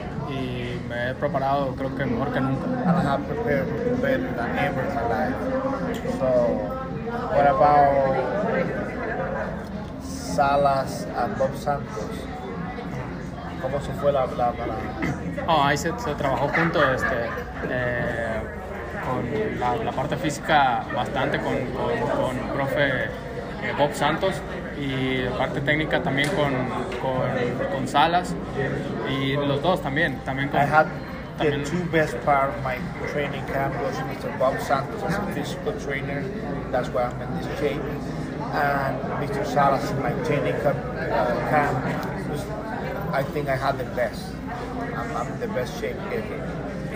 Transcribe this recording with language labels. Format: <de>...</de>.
<es>Y me he preparado, creo que mejor que nunca.</es> <en>And I have prepared better than ever in my life. So, what about Salas and Bob Santos?</en> <es>¿Cómo se fue la Oh, ahí se trabajó junto, con la parte física bastante con profe Bob Santos y parte técnica también con Salas y los dos también con</es> <en>I had también. The two best part of my training camp was Mr. Bob Santos as a physical trainer, that's why I'm in this shape, and Mr. Salas in my training camp was, I think I had the best, I'm the best shape ever.</en>